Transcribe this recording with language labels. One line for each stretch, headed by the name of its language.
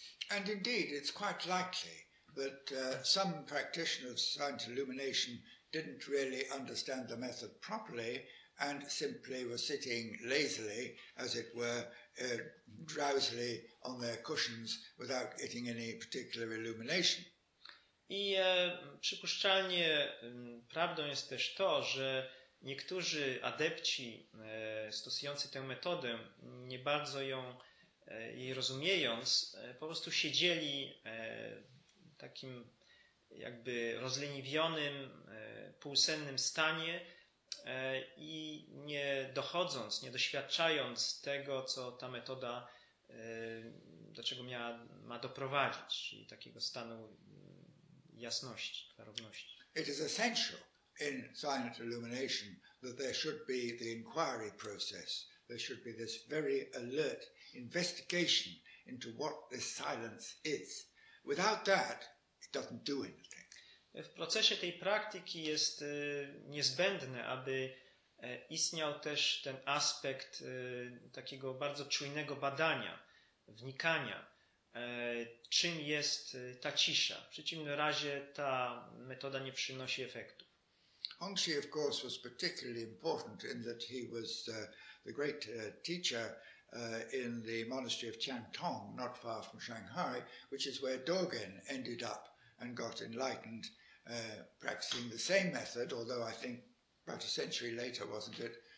English: And indeed, it's quite likely that some practitioners of silent illumination didn't really understand the method properly and simply were sitting lazily, as it were, drowsily on their cushions without getting any particular illumination.
Polish: I przypuszczalnie prawdą jest też to, że niektórzy adepci stosujący tę metodę, nie bardzo ją jej rozumiejąc, po prostu siedzieli takim jakby rozleniwionym, półsennym stanie i nie dochodząc, nie doświadczając tego, co ta metoda do czego ma doprowadzić, czyli takiego stanu jasności, klarowności.
English: It is essential in silent illumination that there should be the inquiry process. There should be this very alert investigation into what this silence is. Without that, it doesn't do anything.
Polish: W procesie tej praktyki jest niezbędne, aby istniał też ten aspekt takiego bardzo czujnego badania, wnikania. Czym jest ta cisza? W przeciwnym razie ta metoda nie przynosi efektów.
English: Hongzhi, of course, was particularly important in that he was the great teacher in the monastery of Chantong, not far from Shanghai, which is where Dogen ended up and got enlightened, practicing the same method, although I think about a century later, wasn't it?